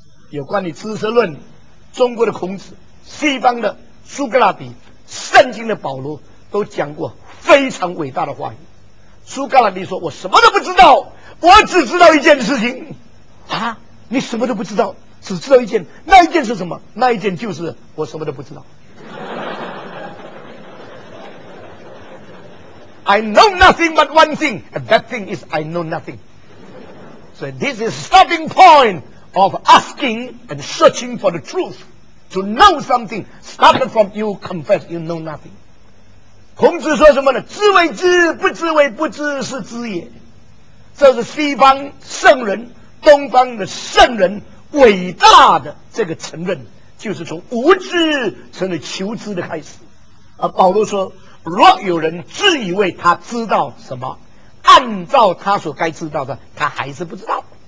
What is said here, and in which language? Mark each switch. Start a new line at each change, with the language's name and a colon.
Chinese: 有关于知识论，中国的孔子，西方的苏格拉底，圣经的保罗都讲过非常伟大的话语。苏格拉底说，我什么都不知道，我只知道一件事情。啊，你什么都不知道，只知道一件，那一件是什么？那一件就是我什么都不知道。
English: I know nothing but one thing, and that thing is I know nothing. So this is starting point of asking and searching for the truth. To know something started from you confess you know nothing.
Chinese: 孔子说什么呢？知为知，不知为不知，是知也。这是西方圣人，东方的圣人伟大的这个承认，就是从无知成了求知的开始。而保罗说，若有人自以为他知道什么，按照他所该知道的，他还是不知道。